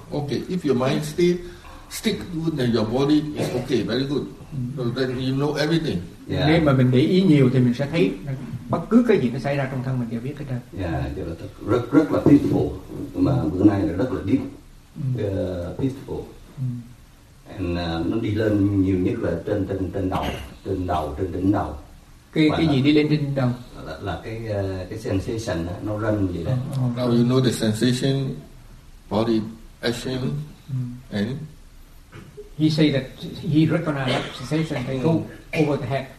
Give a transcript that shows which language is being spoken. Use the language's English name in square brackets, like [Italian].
[English] Okay, if your mind stick good, then your body is okay, very good. So then you know everything. Yeah. [Vietnamese] Nếu mà mình để ý nhiều thì mình sẽ thấy bất cứ cái gì nó xảy ra trong thân mình đều biết hết trơn. Yeah, rất là peaceful. Mà bữa nay là rất là deep, peaceful. And nó đi lên nhiều nhất là trên đầu, trên đỉnh đầu. Cái gì đi lên trên đầu? Là cái sensation nó run gì đó. [English] Now you know the sensation, body action, and he say that he recognize sensation they go over the head.